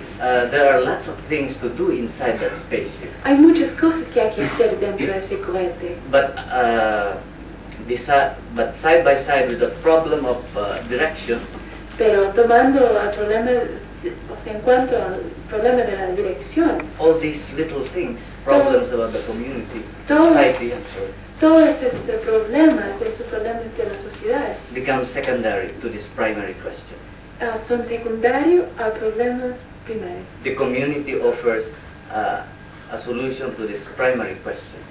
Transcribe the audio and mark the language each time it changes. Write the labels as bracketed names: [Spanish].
[English] there are lots of things to do inside that spaceship. [Spanish] Hay muchas cosas que hay que hacer dentro de ese cohete. [English] But side by side with the problem of direction. [Spanish] Pero tomando el problema, o sea, en cuanto al problema de la dirección. [English] All these little things, problems about the community, society, I'm sorry. [Spanish] Todos esos problemas de la sociedad [English] become secondary to this primary question. [Spanish] Son secundarios al problema primario. [English] The community offers a solution to this primary question.